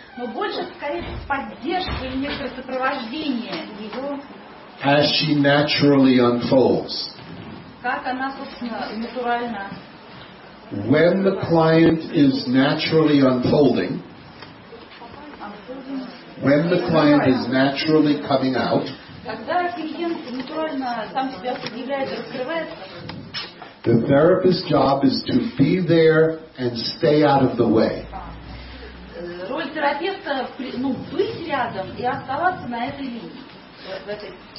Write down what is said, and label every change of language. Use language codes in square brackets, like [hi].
[ru] Но больше, скорее, поддержка или некое сопровождение его. [en] As she naturally unfolds. [ru] Как она, собственно, натурально. [en] When the client is naturally unfolding, when the client is naturally coming out, [ru] когда клиент натурально сам себя предъявляет и раскрывается, [en] the therapist's job is to be there and stay out of the way. [ru] Роль терапевта быть рядом и оставаться на этой линии.